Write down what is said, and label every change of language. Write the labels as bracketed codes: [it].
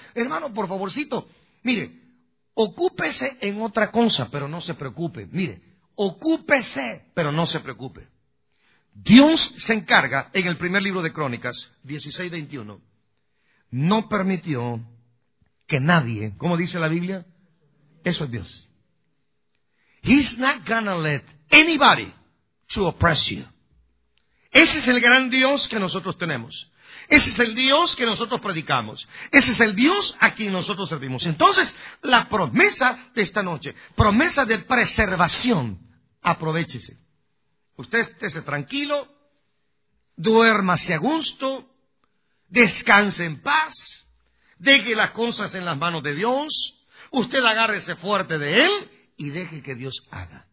[es] Hermano, por favorcito, mire, ocúpese en otra cosa, pero no se preocupe. Mire, ocúpese, pero no se preocupe. Dios se encarga, en el primer libro de Crónicas, 16:21, no permitió que nadie, ¿cómo dice la Biblia? Eso es Dios. [en] He's not gonna let anybody to oppress you. [es] Ese es el gran Dios que nosotros tenemos. Ese es el Dios que nosotros predicamos. Ese es el Dios a quien nosotros servimos. Entonces, la promesa de esta noche, promesa de preservación, aprovéchese. Usted esté tranquilo, duérmase a gusto, descanse en paz, deje las cosas en las manos de Dios, usted agárrese fuerte de Él y deje que Dios haga.